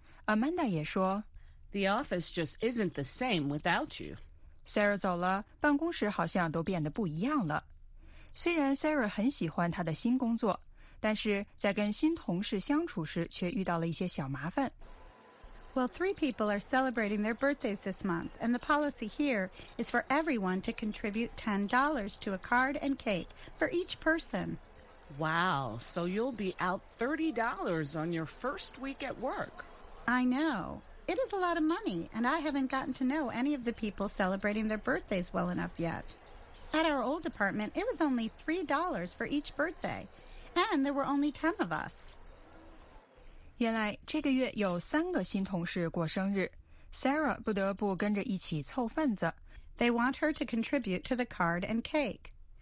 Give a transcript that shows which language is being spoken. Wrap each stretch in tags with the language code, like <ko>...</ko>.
<zh>Amanda 也说</zh> <en>The office just isn't the same without you.</en> <zh>Sarah 走了，办公室好像都变得不一样了。虽然 Sarah 很喜欢她的新工作，但是在跟新同事相处时却遇到了一些小麻烦。</zh> <en>Well, three people are celebrating their birthdays this month, and the policy here is for everyone to contribute $10 to a card and cake for each person. Wow, so you'll be out $30 on your first week at work. I know. It is a lot of money, and I haven't gotten to know any of the people celebrating their birthdays well enough yet. At our old department, it was only $3 for each birthday, and there were only 10 of us.</en> <zh>原来这个月有三个新同事过生日， Sarah 不得不跟着一起凑份子。</zh> <en>They want her to contribute to the card and cake.</en>